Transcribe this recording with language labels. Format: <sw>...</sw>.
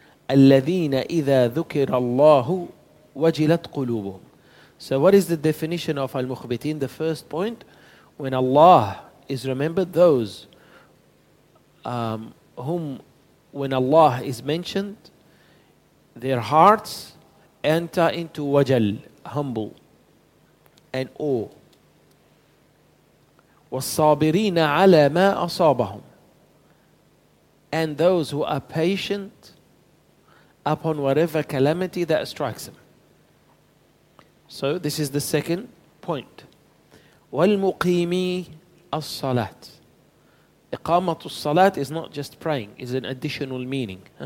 <ar>الذين إذا ذكر الله وجلت قلوبهم.</ar> <en>So what is the definition of al-mukhbitin? The first point, when Allah is remembered, those whom, when Allah is mentioned, their hearts enter into wajal, humble, and awe.</en> <ar>والصابرين على ما أصابهم.</ar> <en>And those who are patient upon whatever calamity that strikes them. So this is the second point.</en> <ar>والمقيمي الصلاة. إقامة الصلاة</ar> <en>is not just praying, it's an additional meaning.</en>